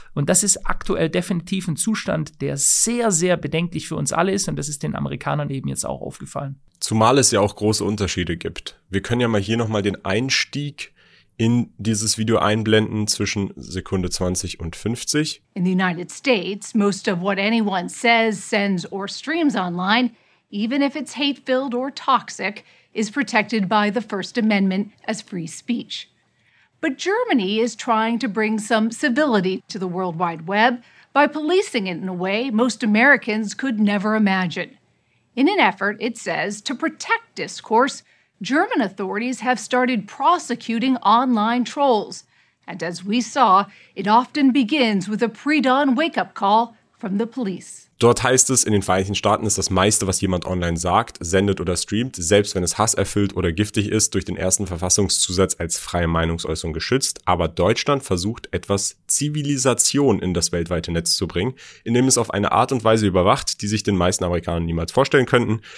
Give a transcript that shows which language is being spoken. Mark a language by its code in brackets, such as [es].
[de] Und das ist aktuell definitiv ein Zustand, der sehr, sehr bedenklich für uns alle ist. Und das ist den Amerikanern eben jetzt auch aufgefallen. Zumal es ja auch große Unterschiede gibt. Wir können ja mal hier nochmal den Einstieg in dieses Video einblenden zwischen Sekunde 20 und 50. [en] In the United States, most of what anyone says, sends or streams online, even if it's hate-filled or toxic, is protected by the First Amendment as free speech. But Germany is trying to bring some civility to the World Wide Web by policing it in a way most Americans could never imagine. In an effort, it says, to protect discourse, German authorities have started prosecuting online trolls. And as we saw, it often begins with a pre-dawn wake-up call from the police. [de] Dort heißt es, in den Vereinigten Staaten ist das meiste, was jemand online sagt, sendet oder streamt, selbst wenn es hasserfüllt oder giftig ist, durch den ersten Verfassungszusatz als freie Meinungsäußerung geschützt. Aber Deutschland versucht, etwas Zivilisation in das weltweite Netz zu bringen, indem es auf eine Art und Weise überwacht, die sich den meisten Amerikanern niemals vorstellen könnten.